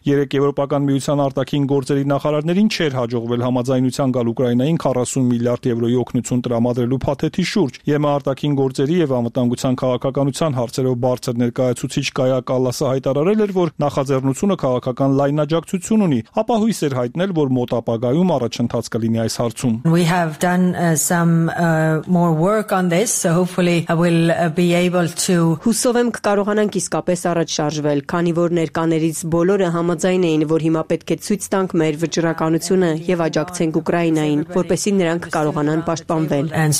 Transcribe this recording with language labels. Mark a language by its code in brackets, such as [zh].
[hy] Երեք եվրոպական միության արտաքին գործերի նախարարներին չէր հաջողվել համաձայնության գալ Ուկրաինային 40 միլիարդ եվրոյի օգնություն տրամադրելու փաթեթի շուրջ։ ԵՄ արտաքին գործերի եւ անվտանգության քաղաքականության հարցերով բարձր ներկայացուցիչ Կայա Կալլասը հայտարարել էր, որ նախաձեռնությունը քաղաքական լայնաջակցություն ունի, ապա հույս էր հայտնել, որ մոտ ապագայում առաջընթաց կլինի այս հարցում։ [en] We have done some more work on this, so hopefully I will be able to [hy] Հուսով եմ կարողանանք իսկապես առաջ շարժվել, քանի որ ներկաներից բոլորը համաձայն էին, որ հիմա պետք է ցույց տանք մեր վճռականությունը եւ աջակցենք Ուկրաինային, որպեսզի նրանք կարողանան պաշտպանվել։